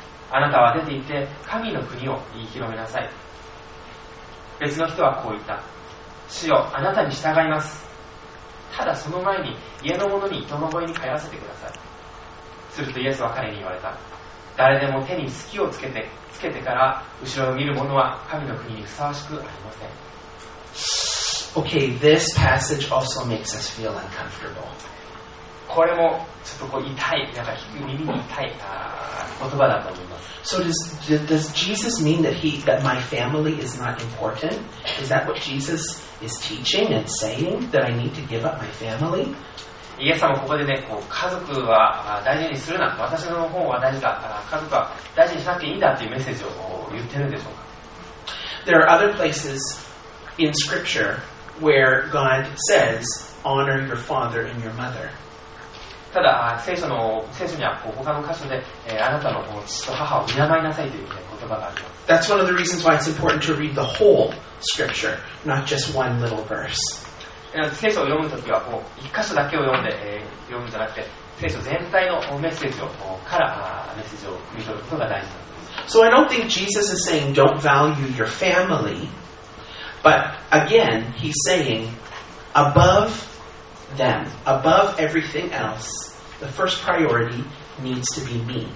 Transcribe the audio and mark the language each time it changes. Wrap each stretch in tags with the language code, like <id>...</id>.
<ja>あなたは出て行って神の国を言い広めなさい。別の人はこう言った。主よ、あなたに従います。ただその前に家の者に戸の越に帰らせてください。するとイエスは彼に言われた。誰でも手に隙をつけてから後ろを見る者は神の国にふさわしくありません。</ja> <en>Okay, this passage also makes us feel uncomfortable.</en> <ja>これもちょっとこう痛い、なんか耳に痛い言葉だと思います。</ja> <en>So does Jesus mean that my family is not important? Is that what Jesus is teaching and saying? That I need to give up my family?</en> <ja>イエス様ここでね、こう家族は大事にするな、私の方は大事だ、家族は大事にしなくていいんだっていうメッセージを言ってるんでしょうか。</ja> <en>There are other places in Scripture where God says, honor your father and your mother.</en> <ja>ただ聖書の、聖書にはこう他の箇所で、あなたの父と母を敬いなさいという、ね、言葉があります。</ja> <en>That's one of the reasons why it's important to read the whole scripture, not just one little verse.</en> <ja>聖書を読むときはこう一箇所だけを読んで、読むんじゃなくて、聖書全体のメッセージをからメッセージを読み取ることが大事なんです。</ja> <en>So I don't think Jesus is saying don't value your family, but again, he's saying above them, above everything else, the first priority needs to be me.</en>